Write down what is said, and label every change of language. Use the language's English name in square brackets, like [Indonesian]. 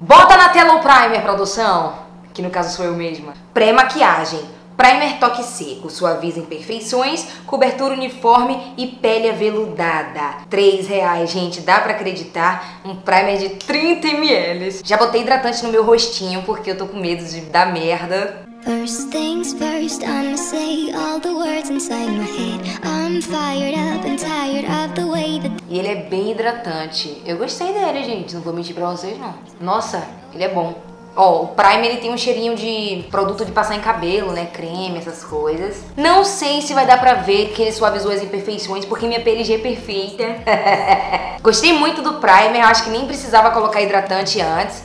[Portuguese] Bota na tela o primer, produção. Que no caso sou eu mesma. Pré-maquiagem. Primer toque seco. Suaviza imperfeições, cobertura uniforme e pele aveludada. R$3, gente. Dá pra acreditar? Um primer de 30 ml. Já botei hidratante no meu rostinho porque eu tô com medo de dar merda. [English] First things first, I'ma say all the words inside my head. I'm fired up and tired of the way that... [Portuguese] E ele é bem hidratante. Eu gostei dele, gente. Não vou mentir pra vocês, não. Nossa, ele é bom. Ó, o primer, ele tem um cheirinho de produto de passar em cabelo, né? Creme, essas coisas. Não sei se vai dar pra ver que ele suavizou as imperfeições, porque minha pele já é perfeita. Gostei muito do primer, acho que nem precisava colocar hidratante antes.